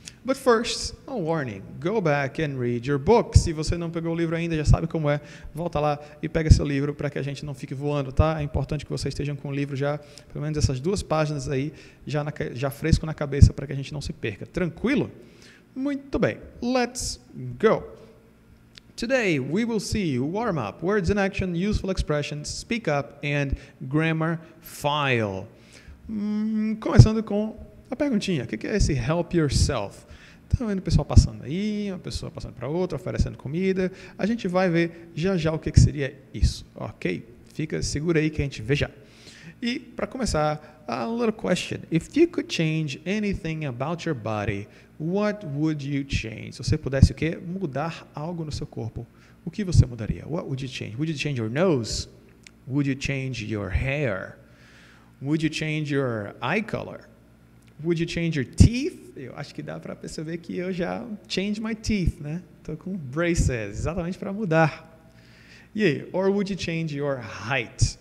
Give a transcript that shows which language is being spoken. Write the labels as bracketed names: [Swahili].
[English] But first, a warning, go back and read your book. [Portuguese] Se você não pegou o livro ainda, já sabe como é, volta lá e pega seu livro para que a gente não fique voando, tá? É importante que vocês estejam com o livro já, pelo menos essas duas páginas aí, já fresco na cabeça para que a gente não se perca. Tranquilo? Muito bem, [English] let's go. Today, we will see warm-up, words in action, useful expressions, speak up, and grammar file. [Portuguese] Começando com a perguntinha, o que é esse [English] help yourself? [Portuguese] Estão vendo o pessoal passando aí, uma pessoa passando para outra, oferecendo comida. A gente vai ver já já o que seria isso, ok? Fica segura aí que a gente vê já. E para começar, [English] a little question. If you could change anything about your body, what would you change? [Portuguese] Se você pudesse o quê? Mudar algo no seu corpo, o que você mudaria? [English] What would you change? Would you change your nose? Would you change your hair? Would you change your eye color? Would you change your teeth? [Portuguese] Eu acho que dá para perceber que eu já [English] changed my teeth, [Portuguese] né? Tô com braces, exatamente para mudar. E aí, [English] or would you change your height?